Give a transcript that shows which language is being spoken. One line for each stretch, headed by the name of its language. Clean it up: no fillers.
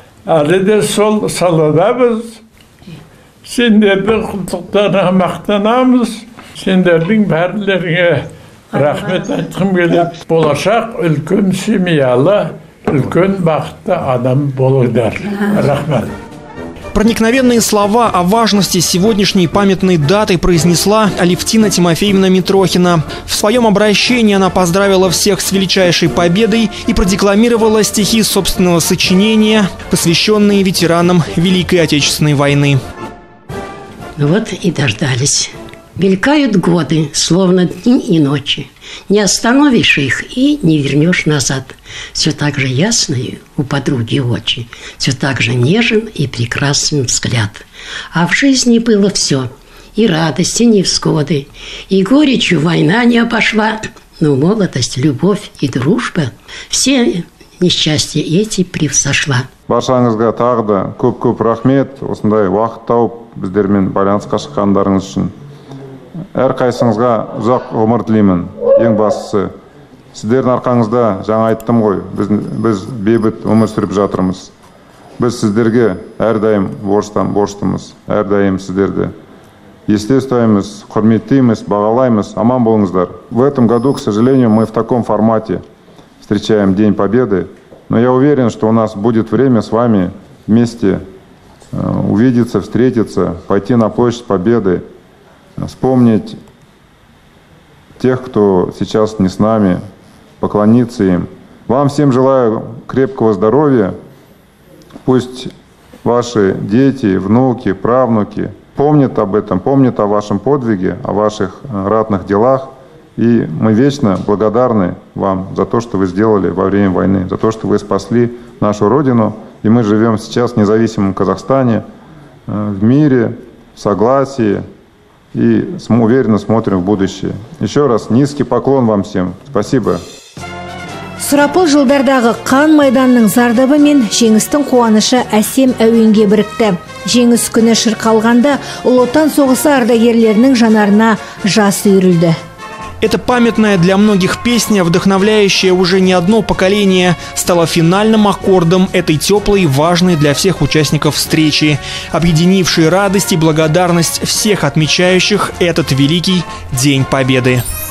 Kazakh: Әлі де сол салада біз. Сендердің құлдықтарына мақтанамыз. Сендердің бәрілеріне рахмет айтқым келеді. Болашақ үлкен семьялы, үлкен бақытты адам болыңдар. Рахмет.
Russian: Проникновенные слова о важности сегодняшней памятной даты произнесла Алевтина Тимофеевна Митрохина. В своем обращении она поздравила всех с величайшей победой и продекламировала стихи собственного сочинения, посвященные ветеранам Великой Отечественной войны. Вот и дождались. Мелькают годы, словно дни и ночи. Не остановишь их и не вернешь назад. Все так же ясные у подруги очи, все так же нежен и прекрасен взгляд. А в жизни было все, и радость, и невзгоды, и горечью война не обошла. Но молодость, любовь и дружба все несчастья эти превзошла.
Kazakh: Баршаңызға тағы да көп-көп рахмет. Осындай уақыт тауып, біздермен байланысқа шыққандарыңыз үшін. Әр қайсыңызға ұзақ ғұмыр тілеймін. Ең бастысы, сіздердің арқаңызда, жаңа айттым ғой, біз бейбіт өмір сүріп жатырмыз. Біз сіздерге әрдайым борыштымыз, әрдайым сіздерді есте ұстаймыз, құрметтейміз, бағалаймыз, аман болыңыздар.
Russian: В этом году, к сожалению, мы в таком формате встречаем День Победы, но я уверен, что у нас будет время с вами вместе увидеться, встретиться, пойти на площадь Победы, вспомнить тех, кто сейчас не с нами, поклониться им. Вам всем желаю крепкого здоровья. Пусть ваши дети, внуки, правнуки помнят об этом, помнят о вашем подвиге, о ваших ратных делах. И мы вечно благодарны вам за то, что вы сделали во время войны, за то, что вы спасли нашу Родину. И мы живем сейчас в независимом Казахстане, в мире, в согласии и уверенно смотрим в будущее. Еще раз низкий поклон вам всем. Спасибо.
Kazakh: Сұрапыл жылдардағы қан майданның зардабы мен женістің қуанышы әсем әуенге бірікті. Женіс күні шырқалғанда ұлотан соғысы ардагерлерінің жанарына жас үйрілді.
Russian: Эта памятная для многих песня, вдохновляющая уже не одно поколение, стала финальным аккордом этой теплой, важной для всех участников встречи, объединившей радость и благодарность всех отмечающих этот великий День Победы.